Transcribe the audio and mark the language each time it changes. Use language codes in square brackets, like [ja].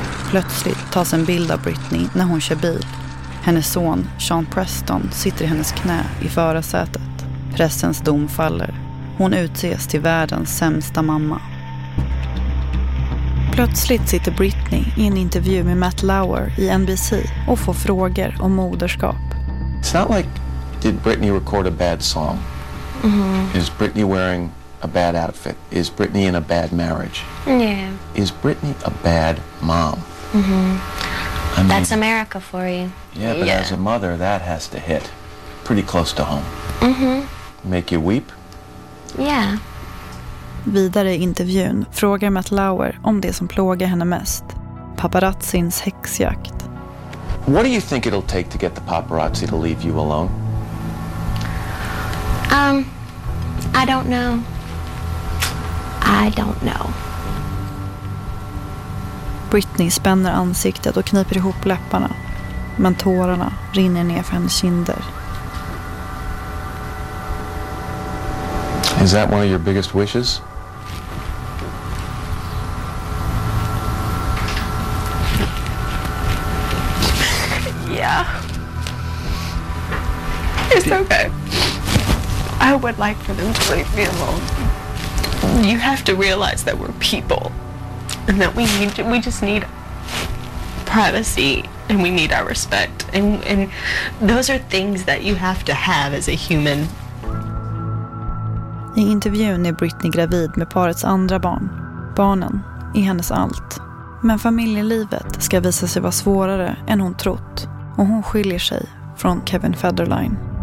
[sv] Plötsligt tas en bild av Britney när hon kör bil. Hennes son, Sean Preston, sitter i hennes knä i förarsätet. Prestons dom faller. Hon utses till världens sämsta mamma. Plötsligt sitter Britney i en intervju med Matt Lauer i NBC och får frågor om moderskap. [en] It's not like, did Britney record a bad song? Mm-hmm. Is Britney wearing a bad outfit? Is Britney in a bad marriage? Yeah. Is Britney a bad mom? Mm-hmm. I mean, that's America for you. Yeah, but yeah. As a mother, that has to hit pretty close to home. Mm-hmm. Make you weep? Yeah. [sv] Vidare i intervjun frågar Matt Lauer om det som plågar henne mest. Paparazzins häxjakt. [en] What do you think it'll take to get the paparazzi to leave you alone? I don't know. I don't know. [sv] Britney spänner ansiktet och kniper ihop läpparna. Men tårarna rinner ner för hennes kinder. [en] Is that one of your biggest wishes? Yeah. It's okay. I would like for them to leave me alone. You have to realize that we're people. And that we just need privacy and we need our respect. And those are things that you have to have as a human. [sv] I intervjun är Britney gravid med parets andra barn. Barnen är hennes allt. Men familjelivet ska visa sig vara svårare än hon trott. Och hon skiljer sig från Kevin Federline.